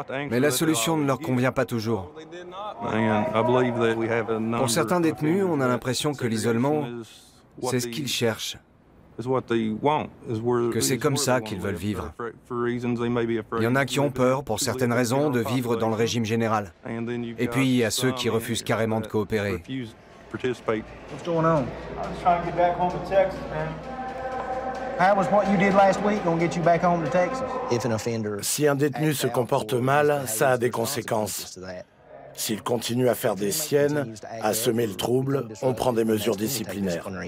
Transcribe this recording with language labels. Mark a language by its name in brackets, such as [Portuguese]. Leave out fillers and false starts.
[French] Mais la solution ne leur convient pas toujours. Pour certains détenus, on a l'impression que l'isolement, c'est ce qu'ils cherchent. Que c'est comme ça qu'ils veulent vivre. Il y en a qui ont peur, pour certaines raisons, de vivre dans le régime général. Et puis, il y a ceux qui refusent carrément de coopérer. [English] What's going on? I'm just trying to get back home to Texas, man. How was what you did last week going to get you back home to Texas? If an offender [French] si un détenu se comporte mal, ça a des conséquences. S'il continue à faire des siennes, à semer le trouble, on prend des mesures disciplinaires.